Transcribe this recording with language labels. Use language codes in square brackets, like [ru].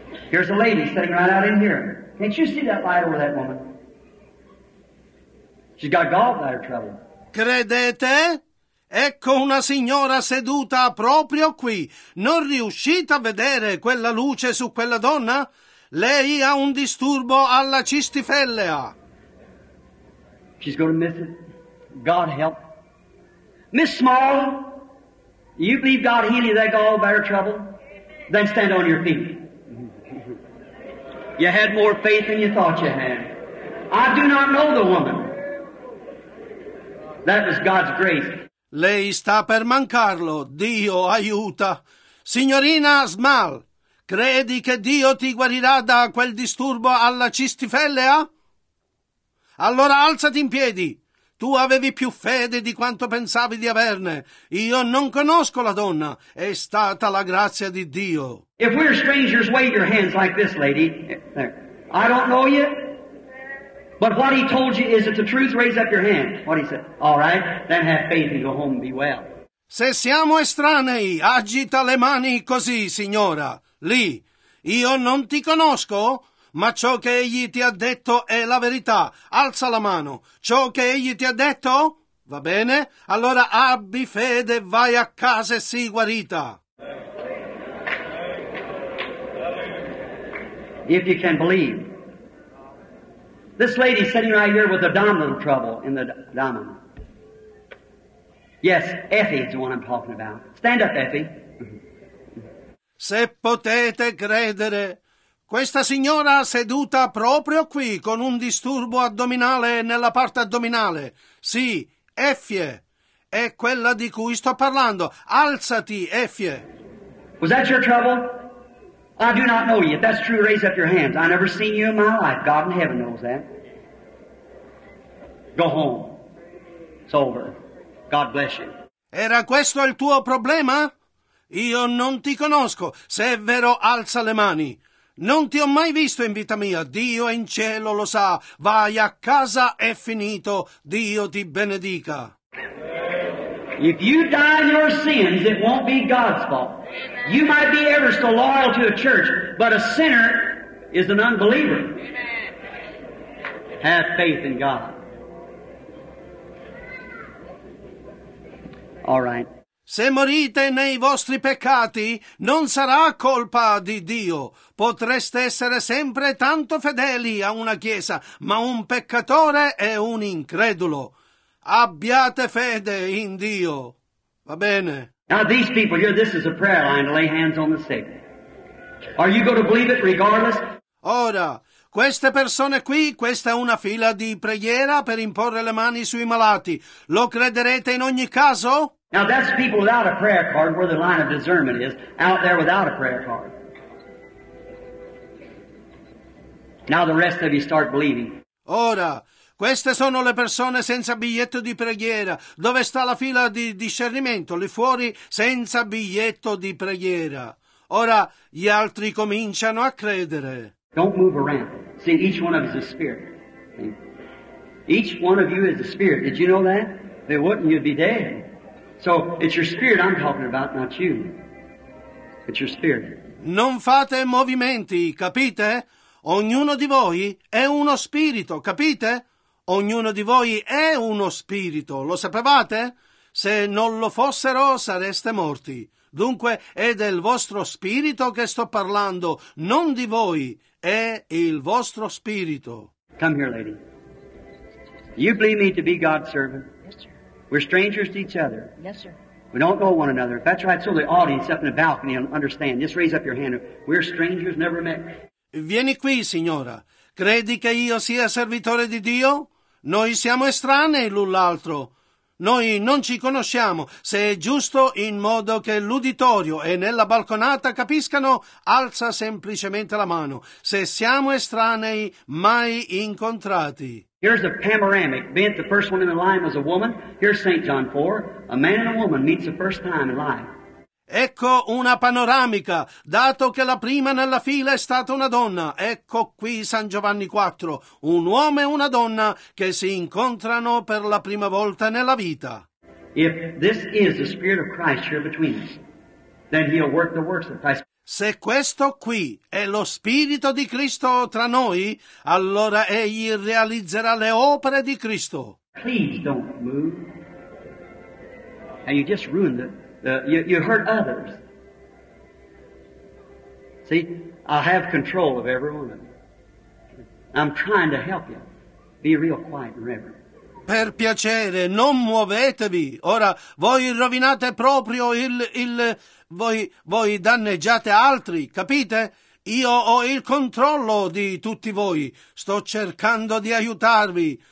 [en] Here's a lady sitting right out in here. Can't you see that light over that woman? She's got gallbladder trouble. [it] Credete? Ecco una signora seduta proprio qui. Non riuscite a vedere quella luce su quella donna? Lei ha un disturbo alla cistifellea. [en] She's going to miss it. God help. Miss Small, you believe God heal you, they go all better trouble? Then stand on your feet. You had more faith than you thought you had. I do not know the woman. That was God's grace. [it] Lei sta per mancarlo. Dio aiuta. Signorina Small, credi che Dio ti guarirà da quel disturbo alla cistifellea? Allora alzati in piedi. Tu avevi più fede di quanto pensavi di averne. Io non conosco la donna. È stata la grazia di Dio. [en] If we're strangers, wave your hands like this, lady. I don't know you. But what he told you, is it the truth? Raise up your hand. What he said. All right. Then have faith and go home and be well. [it] Se siamo estranei, agita le mani così, signora. Lì. Io non ti conosco. Ma ciò che egli ti ha detto è la verità. Alza la mano. Ciò che egli ti ha detto? Va bene? Allora abbi fede, vai a casa e sii guarita. [en] If you can believe. This lady sitting right here with abdominal trouble in the abdomen. Yes, Effie is the one I'm talking about. Stand up, Effie. [it] Se potete credere. Questa signora seduta proprio qui con un disturbo addominale nella parte addominale. Sì, Effie, è quella di cui sto parlando. Alzati, Effie. [en] Was that your trouble? I do not know you. If that's true, raise up your hands. I've never seen you in my life. God in heaven knows that. Go home. It's over. God bless you. [it] Era questo il tuo problema? Io non ti conosco. Se è vero, alza le mani. Non ti ho mai visto in vita mia. Dio in cielo lo sa. Vai a casa, è finito. Dio ti benedica. [en] If you die in your sins, it won't be God's fault. You might be ever so loyal to a church, but a sinner is an unbeliever. Have faith in God. All right. [it] Se morite nei vostri peccati, non sarà colpa di Dio. Potreste essere sempre tanto fedeli a una chiesa, ma un peccatore è un incredulo. Abbiate fede in Dio. Va bene? [en] Now these people here, this is a prayer line to lay hands on the sick. Are you going to believe it regardless? [it] Ora, queste persone qui, questa è una fila di preghiera per imporre le mani sui malati. Lo crederete in ogni caso? [en] Now that's people without a prayer card, where the line of discernment is, out there without a prayer card. Now the rest of you start believing. [it] Ora, queste sono le persone senza biglietto di preghiera. Dove sta la fila di discernimento? Lì fuori, senza biglietto di preghiera. Ora, gli altri cominciano a credere. [en] Don't move around. See, each one of you is a spirit. Each one of you is a spirit. Did you know that? If it wouldn't, you'd be dead. So, it's your spirit I'm talking about, not you. It's your spirit. [it] Non fate movimenti, capite? Ognuno di voi è uno spirito, capite? Ognuno di voi è uno spirito, lo sapevate? Se non lo fossero, sareste morti. Dunque, è del vostro spirito che sto parlando, non di voi, è il vostro spirito. [en] Come here, lady. You believe me to be God's servant? We're strangers to each other. Yes, sir. We don't know one another. If that's right, so the audience up in the balcony will understand. Just raise up your hand. We're strangers, never met. [it] Vieni qui, signora. Credi che io sia servitore di Dio? Noi siamo estranei l'un l'altro. Noi non ci conosciamo. Se è giusto, in modo che l'uditorio e nella balconata capiscano, alza semplicemente la mano. Se siamo estranei, mai incontrati. [en] Here's a panoramic. Bent, the first one in the line was a woman. Here's St. John 4. A man and a woman meets the first time in life. [it] Ecco una panoramica. Dato che la prima nella fila è stata una donna. Ecco qui San Giovanni 4. Un uomo e una donna che si incontrano per la prima volta nella vita. [en] If this is the Spirit of Christ here between us, then he'll work the works of Christ. [it] Se questo qui è lo Spirito di Cristo tra noi, allora egli realizzerà le opere di Cristo. [en] Please don't move. And you just ruined it. You hurt others. See, I have control of every one of you. I'm trying to help you. Be real quiet and reverent. [it] Per piacere, non muovetevi. Ora, voi rovinate proprio il voi danneggiate altri, capite? Io ho il controllo di tutti voi. Sto cercando di aiutarvi.